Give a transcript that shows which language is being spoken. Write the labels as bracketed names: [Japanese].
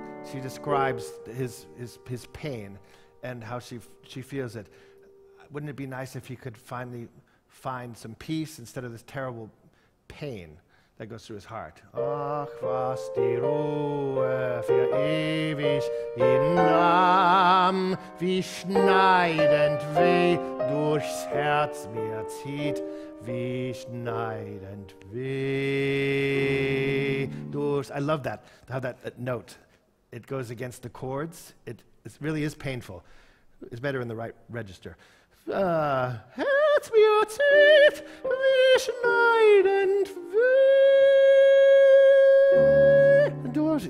[English] She describes his pain and how she feels it. Wouldn't it be nice if he could finally find some peace instead of this terrible pain that goes through his heart? [German] Ach, was die Ruhe für ewig ihn nahm, wie schneidend weh durchs Herz mir zieht, wie schneidend weh durchs... [English] I love that, how that note, it goes against the chords. It really is painful. It's better in the right register. [German] Herz mir zieht, wie schneidend weh.